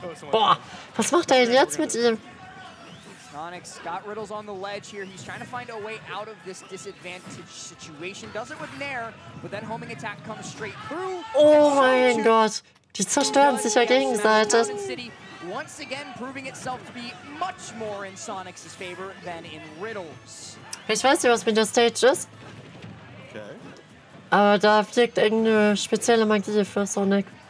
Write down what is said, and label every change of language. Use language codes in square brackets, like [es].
[de] Boah, was macht er denn jetzt mit ihm? [en] Sonic's got Riddles on the ledge here. He's trying to find a way out of this disadvantaged situation. Does it with Nair, but then homing attack comes straight through. [de] Oh mein Gott, die zerstören sich ja gegenseitig. [en] Once again proving itself to be much more in Sonic's favor than in Riddles. [de] Ich weiß nicht, was mit der Stage ist. Okay. Aber da fliegt irgendeine spezielle Magie für Sonic.